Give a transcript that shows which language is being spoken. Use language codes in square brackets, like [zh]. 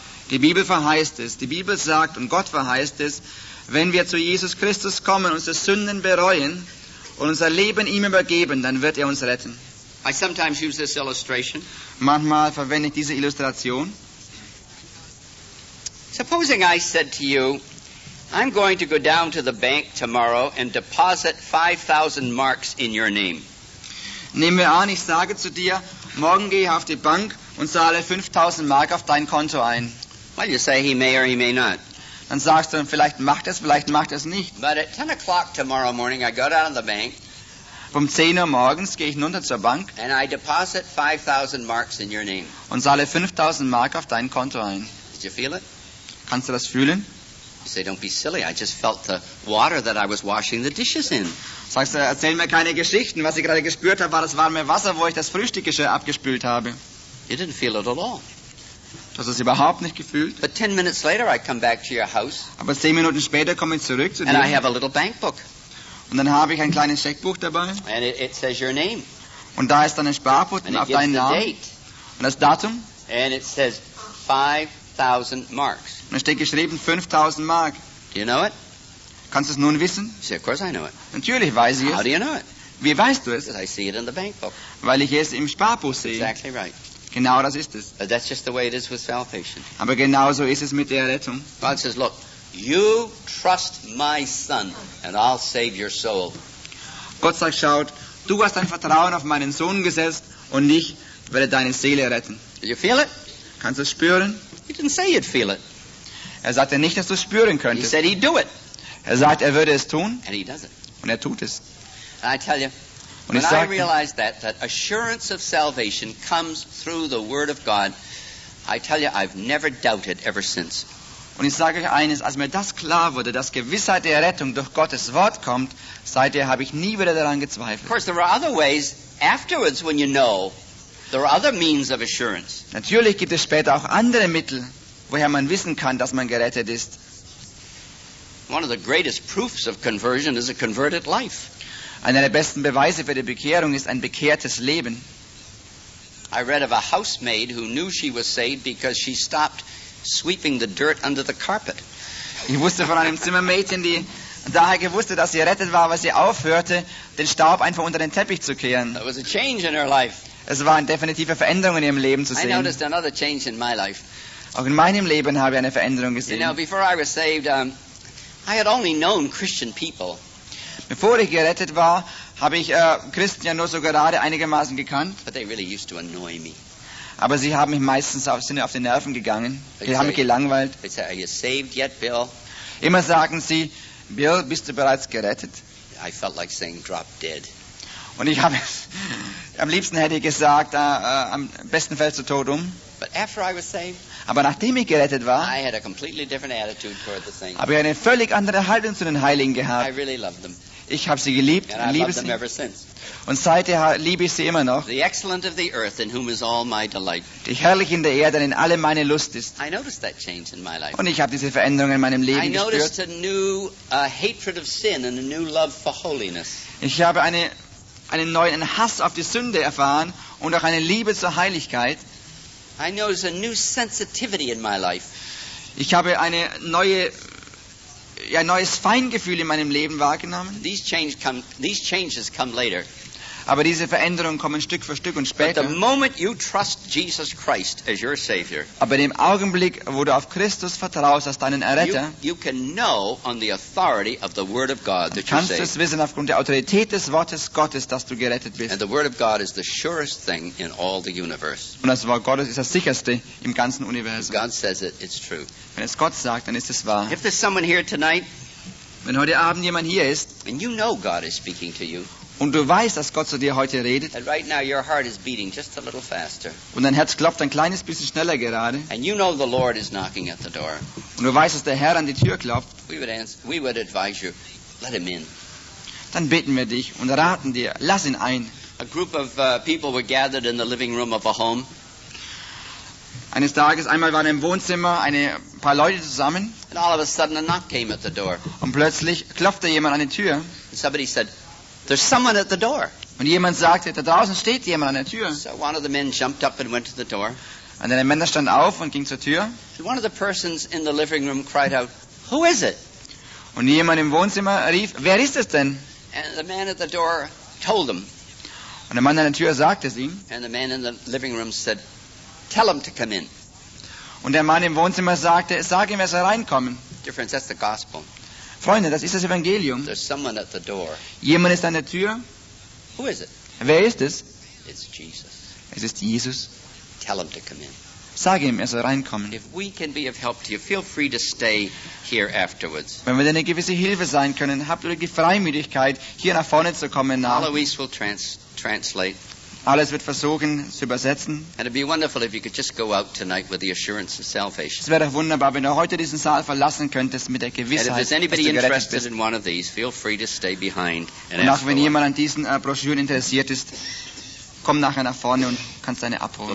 [de] Die Bibel verheißt es, die Bibel sagt und Gott verheißt es, wenn wir zu Jesus Christus kommen, unsere Sünden bereuen und unser Leben ihm übergeben, dann wird er uns retten. [en] I sometimes use this illustration. [de] Manchmal verwende ich diese Illustration. [en] Supposing I said to you, I'm going to go down to the bank tomorrow and deposit 5,000 marks in your name. [de] Nehmen wir an, ich sage zu dir, morgen gehe ich auf die Bank und zahle 5,000 Mark auf dein Konto ein. [en] Well, you say he may or he may not. [de] Dann sagst du, vielleicht macht es, vielleicht macht es nicht. [en] But at 10 o'clock tomorrow morning, I go down to the bank. [de] Um 10 Uhr morgens gehe ich runter zur Bank. [en] And I deposit 5,000 marks in your name. [de] Und zahle 5,000 Mark auf dein Konto ein. [en] Did you feel it? [de] Kannst du das fühlen? [en] You say, don't be silly. I just felt the water that I was washing the dishes in. [de] Sagst du, erzähl mir keine Geschichten. Was ich gerade gespürt habe, war das warme Wasser, wo ich das Frühstückgeschirr abgespült habe. [en] You didn't feel it at all. [de] Du hast es überhaupt nicht gefühlt. [en] But 10 minutes later I come back to your house. [de] Aber 10 Minuten später komme ich zurück zu dir. [en] And I have a little bank book. [de] Und dann habe ich ein kleines Scheckbuch dabei. [en] And it says your name. [de] Und da ist dann ein Sparbuch [en] and [de] auf deinen Namen. [en] Date. [de] Und das Datum. [en] And it says 5,000 marks. [de] Und da steht geschrieben 5,000 Mark. [en] Do you know it? [de] Kannst du es nun wissen? [en] See, of course I know it. [de] Natürlich weiß ich es. [en] How do you know it? [de] Wie weißt du es? [en] Because I see it in the bank book. [de] Weil ich es im Sparbuch sehe. [en] Exactly right. [de] Genau das ist es. [en] But that's just the way it is with salvation. [de] Aber genauso ist es mit der Errettung. [en] God says, look, you trust my son and I'll save your soul. [de] Gott sagt, schaut, du hast dein Vertrauen auf meinen Sohn gesetzt und ich werde deine Seele retten. [en] Did you feel it? [de] Kannst du es spüren? [en] He didn't say you'd feel it. [de] Er sagte nicht, dass du es spüren könntest. [en] He said he'd do it. [de] Er sagt, er würde es tun. [en] And he does it. [de] Und er tut es. [en] And I tell you, when I realized that assurance of salvation comes through the Word of God, I tell you, I've never doubted ever since. [de] Und ich sage euch eines, als mir das klar wurde, dass Gewissheit der Errettung durch Gottes Wort kommt, seitdem habe ich nie wieder daran gezweifelt. [en] Of course, there are other ways afterwards when you know. There are other means of assurance. [de] Natürlich gibt es später auch andere Mittel, woher man wissen kann, dass man gerettet ist. [en] One of the greatest proofs of conversion is a converted life. [de] Einer der besten Beweise für die Bekehrung ist ein bekehrtes Leben. [en] I read of a housemaid who knew she was saved because she stopped sweeping the dirt under the carpet. [de] Ich wusste von einem Zimmermädchen, die daher gewusst, dass sie errettet war, weil sie aufhörte, den Staub einfach unter den Teppich zu kehren. [en] There was a change in her life. [de] Es war eine definitive Veränderung in ihrem Leben zu sehen. [en] I noticed another change in my life. [de] Auch in meinem Leben habe ich eine Veränderung gesehen. [en] You know, before I was saved, I had only known Christian people. [de] Bevor ich gerettet war, habe ich Christen ja nur so gerade einigermaßen gekannt. [en] But they really used to annoy me. [de] Aber sie haben mich meistens auf die Nerven gegangen. Sie haben mich gelangweilt. [en] They say, "Are you saved yet, Bill?" [de] Immer sagen sie, Bill, bist du bereits gerettet? [en] I felt like saying, "Drop dead." [de] Und ich habe am liebsten hätte ich gesagt, am besten fällst du tot um. [en] But after I was saved, [de] aber nachdem ich gerettet war, [en] I had a completely different attitude toward the saints. [de] Habe ich eine völlig andere Haltung zu den Heiligen gehabt. [en] I really loved them. [de] Ich habe sie geliebt [en] and [de] liebe [en] I loved [de] sie. [en] Them ever since. [de] Und seither liebe ich sie immer noch. [en] The excellent of the earth in whom is all my delight. [de] Die Herrliche in der Erde, in alle meine Lust ist. [en] I noticed that change in my life. [de] Und ich habe diese Veränderung in meinem Leben gespürt. [en] I noticed a new hatred of sin and a new love for holiness. [de] Ich habe einen neuen Hass auf die Sünde erfahren und auch eine Liebe zur Heiligkeit. [en] I know there's a new sensitivity in my life. [de] Ich habe ein neues Feingefühl in meinem Leben wahrgenommen. [en] These changes come later. [de] Aber diese Veränderungen kommen Stück für Stück und später. [en] But the moment you trust Jesus Christ as your Savior. [de] Aber in dem Augenblick, wo du auf Christus vertraust als deinen Erretter, [en] you can know on the authority of the Word of God that you're saved. [de] Kannst es wissen aufgrund der Autorität des Wortes Gottes, dass du gerettet bist. [en] And the Word of God is the surest thing in all the universe. [de] Und das Wort Gottes ist das sicherste im ganzen Universum. [en] God says it, it's true. [de] Wenn es Gott sagt, dann ist es wahr. [en] If there's someone here tonight, [de] wenn heute Abend jemand hier ist, [en] and you know God is speaking to you. [de] Und du weißt, dass Gott zu dir heute redet. [en] And right now your heart is beating just a little faster. [de] Und dein Herz klopft ein kleines bisschen schneller gerade. [en] And you know the Lord is knocking at the door. [de] Und du weißt, dass der Herr an die Tür klopft. [en] We would advise you, let him in. [de] Dann bitten wir dich und raten dir, lass ihn ein. [en] A group of people were gathered in the living room of a home. [de] Eines Tages, einmal waren im Wohnzimmer ein paar Leute zusammen. [en] And all of a sudden a knock came at the door. [de] Und plötzlich klopfte jemand an die Tür. [en] And somebody said, there's someone at the door. [de] Und jemand sagte, da draußen steht jemand an der Tür. [en] So one of the men jumped up and went to the door. [de] Und dann ein Mann stand auf und ging zur Tür. [en] And one of the persons in the living room cried out, who is it? [de] Und jemand im Wohnzimmer rief, wer ist es denn? [en] And the man at the door told them. [de] Und der Mann an der Tür sagte es ihm. [en] And the man in the living room said, tell him to come in. [de] Und der Mann im Wohnzimmer sagte, sag ihm, er soll reinkommen. [en] Dear friends, that's the gospel. [de] Freunde, das ist das Evangelium. [en] There's someone at the door. [de] Jemand ist an der Tür. [en] Who is it? [de] Wer ist es? [en] It's Jesus. [de] Es ist Jesus. [en] Tell him to come in. [de] Sag ihm, er soll reinkommen. [en] If we can be of help to you, feel free to stay here afterwards. [de] Wenn wir dir eine gewisse Hilfe sein können, habt ihr die Freimütigkeit, hier nach vorne zu kommen. [en] Alois will translate. [de] Alles wird versuchen zu übersetzen. [en] And it'd be wonderful if you could just go out tonight with the assurance of salvation. [de] Es wäre wunderbar, wenn du heute diesen Saal verlassen könntest mit der Gewissheit, dass du gerettet bist. [en] And if there's anybody interested in one of these, feel free to stay behind and ask. [de] Und auch wenn jemand an diesen Broschüren interessiert ist, komm nachher nach vorne und kannst deine abholen.